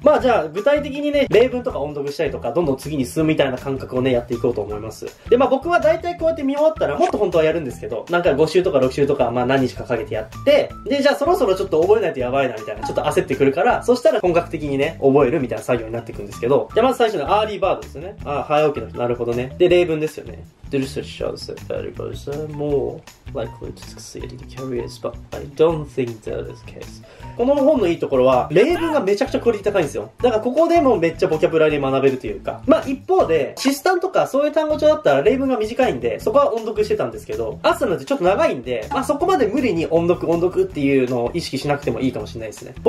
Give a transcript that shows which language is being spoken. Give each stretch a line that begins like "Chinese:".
Japanese: まあじゃあ具体的にね、例文とか音読したりとか、どんどん次に進むみたいな感覚をねやっていこうと思います。で、まあ僕は大体こうやって見終わったら、もっと本当はやるんですけど、なんか5週とか6週とか、まあ何日かかけてやって、で、じゃあそろそろちょっと覚えないとやばいなみたいな、ちょっと焦ってくるから、そしたら本格的にね覚えるみたいな作業になっていくんですけど、じゃあまず最初のアーリーバードですね。あ、早起きの人、なるほどね。で、例文ですよね。
English: The research shows that early birds are more likely to succeed in careers, but I don't think that is the case.
Japanese: この本のいいところは、例文がめちゃくちゃクオリティ高いんですよ。だからここでもめっちゃボキャブラリー学べるというか。まあ一方で、シスタンとかそういう単語帳だったら例文が短いんで、そこは音読してたんですけど、アスタなんてちょっと長いんで、まあそこまで無理に音読っていうのを意識しなくてもいいかもしれないですね。